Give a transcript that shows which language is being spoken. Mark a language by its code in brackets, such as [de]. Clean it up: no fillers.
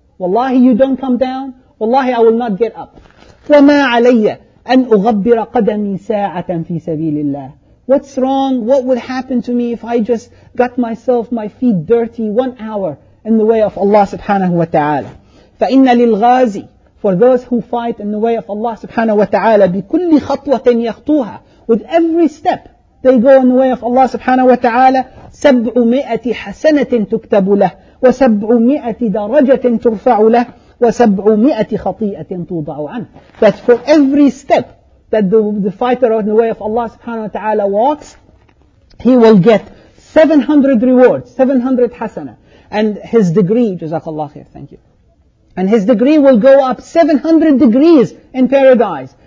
[en] Wallahi you don't come down. Wallahi I will not get up. [ar] Wama alayya an ughabbira qadami sa'atan fi sabilillah. [en] What's wrong? What would happen to me if I just got myself, my feet dirty 1 hour in the way of Allah subhanahu wa ta'ala? [ar] فَإِنَّ لِلْغَازِ. [en] For those who fight in the way of Allah subhanahu wa ta'ala, [ar] بِكُلِّ خَطْوَةٍ يَخْطُوهَا. [en] With every step they go in the way of Allah subhanahu wa ta'ala, [ar] سَبْعُ مِئَةِ حَسَنَةٍ تُكْتَبُ لَهُ وَسَبْعُ مِئَةِ دَرَجَةٍ تُرْفَعُ لَهُ وَسَبْعُ مِئَةِ خَطِيئَةٍ تُوضَعُ عَنْهُ. [en] That for every step that the fighter in the way of Allah subhanahu wa ta'ala walks, he will get 700 rewards, 700 hasana. And his degree, jazakallah khair, thank you. And his degree will go up 700 degrees in paradise.